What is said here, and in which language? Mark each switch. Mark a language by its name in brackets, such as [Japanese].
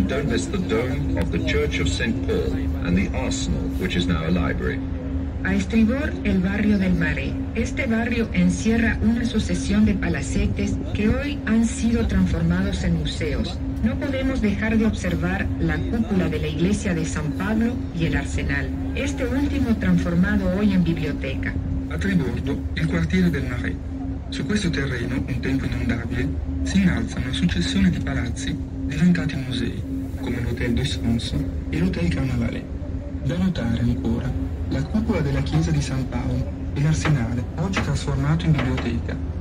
[English] Miss the dome of the Church of St. Paul and the arsenal, which is now a library. [Spanish] A estribor, el barrio del Mare. Este barrio encierra una sucesión de palacetes que hoy han sido transformados en museos. No podemos dejar de observar la cúpula de la iglesia de San Pablo y el arsenal. Este último transformado hoy en biblioteca. [Italian] A Tribordo, el quartiere del Mare. Su questo terreno, un tempo inondabile, si innalza una successione di palazzi diventati musei. Come l'Hotel de Sanso e l'Hotel Carnavalet. Da notare ancora la cupola della chiesa di San Paolo e l'arsenale oggi trasformato in biblioteca.